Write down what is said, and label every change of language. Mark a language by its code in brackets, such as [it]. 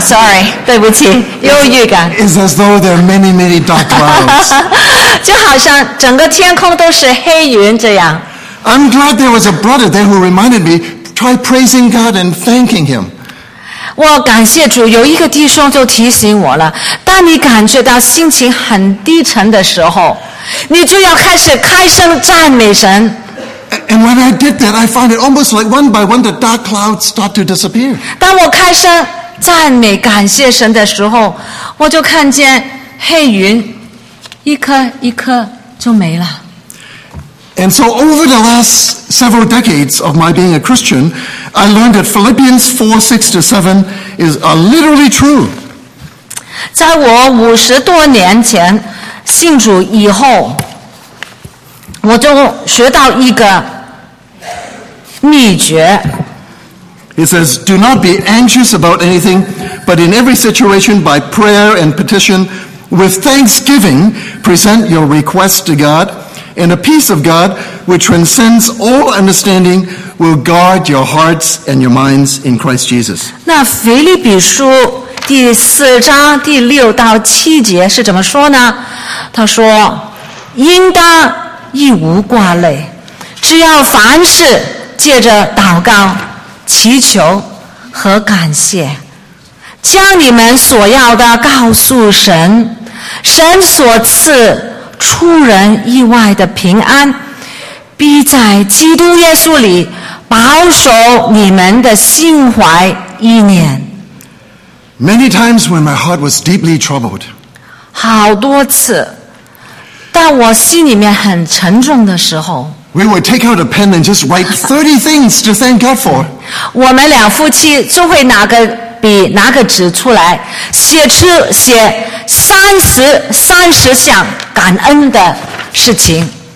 [en] Sorry, [zh] 对不起，优越感。 [en] It's as though there are many, many dark clouds. [zh] 就好像整个天空都是黑云这样。 [en] I'm glad there was a brother there who reminded me try praising God and thanking Him. [zh] 我感谢主，有一个弟兄就提醒我了，当你感觉到心情很低沉的时候，你就要开始开声赞美神。 [en] And when I did that, I found it almost like one by one the dark clouds start to disappear. [zh] 当我开声赞美感谢神的时候，我就看见黑云一颗一颗就没了。 [en] And so over the last several decades of my being a Christian,I learned that Philippians 4:6-7 is literally true. [zh] 在我五十多年前信主以后，我就学到一个秘诀。 [en] It says, "Do not be anxious about anything, but in every situation, by prayer and petition, with thanksgiving, present your requests to God, and the peace of God, which transcends all understanding." Will guard your hearts and your minds in Christ Jesus. [zh] 那腓立比书第四章第六到七节是怎么说呢？他说：“应当一无挂虑，只要凡事借着祷告、祈求和感谢，将你们所要的告诉神，神所赐出人意外的平安，必在基督耶稣里。” 保守你们的心怀意念。 [en] Many times when my heart was deeply troubled. [zh] 好多次，当我心里面很沉重的时候。 [en] We would take out a pen and just write 30 things to thank God for. [zh] 我们两夫妻就会拿个笔，拿个纸出来，写30项感恩的事情。